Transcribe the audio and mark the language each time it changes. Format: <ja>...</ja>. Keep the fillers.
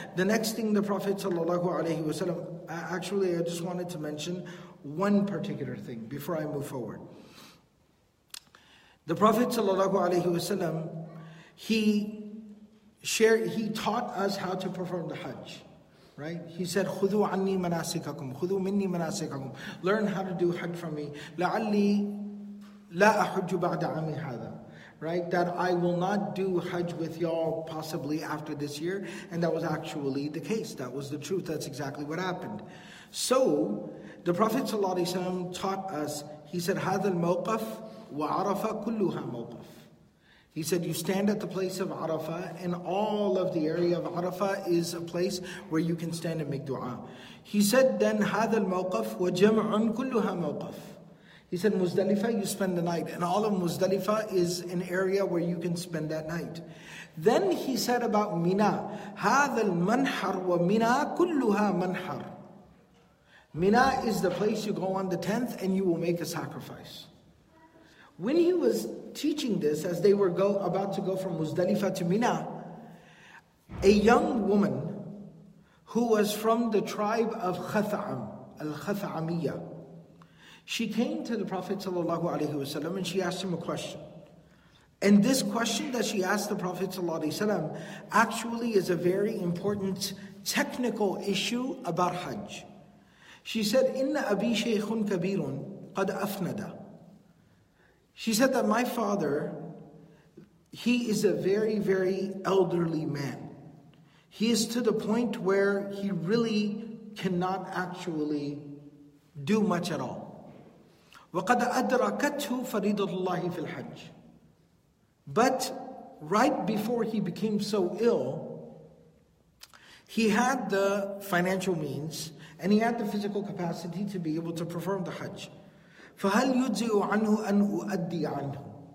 <en>The next thing the Prophet ﷺ, actually, I just wanted to mention one particular thing before I move forward. The Prophet ﷺ, he shared, he taught us how to perform the Hajj. Right? He said,</en> <ar>خُذُوا عَنِّي مَنَاسِكَكُمْ خُذُوا مِنِّي مَنَاسِكَكُم</ar> <en>Learn how to do Hajj from me.</en> <ar>لَعَلِّي لَا أَحُجُّ بَعْدَ عَمِي هَذَا</ar> <en>right? That I will not do Hajj with y'all possibly after this year. And that was actually the case. That was the truth. That's exactly what happened. So, the Prophet ﷺ taught us, he said,</en> <ar>هذا الموقف وعرفة كلها موقف.</ar> <en>He said, You stand at the place of Arafah, and all of the area of Arafah is a place where you can stand and make dua. He said, Then,</en> <ar>هذا الموقف وجمع كلها موقف.</ar> <en>He said, Muzdalifah, you spend the night. And all of Muzdalifah is an area where you can spend that night. Then he said about Mina,</en> <ar>هذا المنحر ومنا كلها منحر.</ar> <en>Mina is the place you go on the 10th and you will make a sacrifice. When he was teaching this, as they were go, about to go from Muzdalifah to Mina, a young woman who was from the tribe of Khatha'am, Al-Khatha'amiyah, she came to the Prophet ﷺ and she asked him a question. And this question that she asked the Prophet ﷺ actually is a very important technical issue about Hajj. She said,</en> <ar>Inna Abi Shaykhun Kabirun Qad Afnada.</ar> <en>She said that my father, he is a very, very elderly man. He is to the point where he really cannot actually do much at all.</en> <ar>وقد أدركته فريضة الله في الحج.</ar> <en>But right before he became so ill, he had the financial means and he had the physical capacity to be able to perform the Hajj.</en> <ar>فهل يجزئ عنه أن أؤدي عنه?</ar>